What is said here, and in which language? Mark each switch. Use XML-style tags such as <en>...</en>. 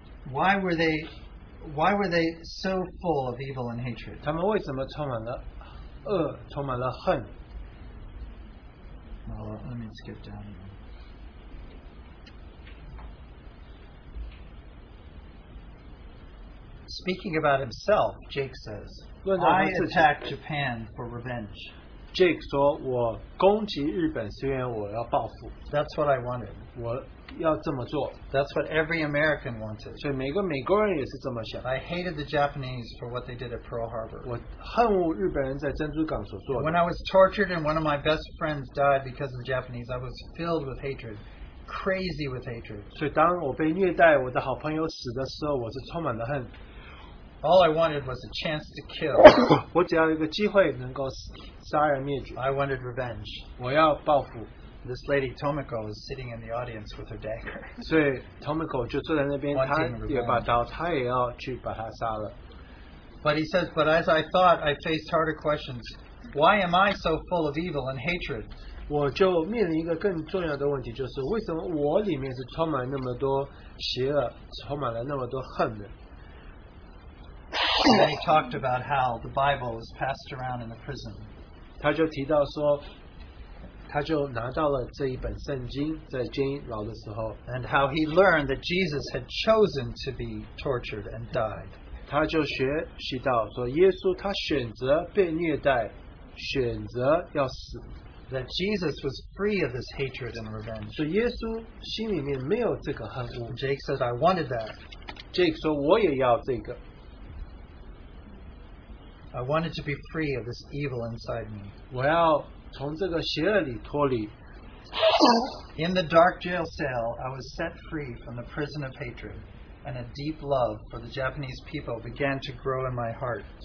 <en>Why were they so full of evil and hatred?</en> <zh>他们为什么充满了恶，充满了恨？</zh> <en>Well, let me skip down here. Speaking about himself, Jake says, I attacked Japan for revenge.</en> <zh>Jake说,</zh> <en>that's what I wanted.</en> <zh>我要这么做,</zh> <en>that's what every American wanted.</en> <zh>所以每个美国人也是这么想,</zh> <en>I hated the Japanese for what they did at Pearl Harbor.</en> <zh>我恨恶日本人在珍珠港所做的,</zh> <en>when I was tortured and one of my best friends died because of the Japanese, I was filled with hatred. Crazy with hatred.</en> <zh>所以当我被虐待我的好朋友死的时候我是充满了恨。</zh> <en>All I wanted was a chance to kill.</en> <zh>我只要一个机会能够杀人灭绝。</zh> <en>I wanted revenge.</en> <zh>我要报复。</zh> <en>This lady Tomiko is sitting in the audience with her dagger.</en> <zh>所以Tomiko就坐在那边, 她也把刀, 她也要去把他杀了。</zh> <en>But he says, but as I thought, I faced harder questions. Why am I so full of evil and hatred?</en> <zh>我就面临一个更重要的问题, 就是为什么我里面是充满那么多邪恶，充满了那么多恨的。</zh> <en>And then he talked about how the Bible was passed around in the prison.</en> <zh>他就提到说, 他就拿到了这一本圣经在监牢的时候,</zh> <en>and how he learned that Jesus had chosen to be tortured and died.</en> <zh>他就学习到说耶稣他选择被虐待，选择要死。</zh> <en>That Jesus was free of this hatred and revenge.</en> <zh>所以耶稣心里面没有这个恨恶。</zh> <en>Jake said, I wanted that.</en> <zh>Jake说我也要这个。</zh> <en>I wanted to be free of this evil inside me.</en> <zh>我要从这个邪恶里脱离。</zh> <en>In the dark jail cell, I was set free from the prison of hatred, and a deep love for the Japanese people began to grow in my heart.</en>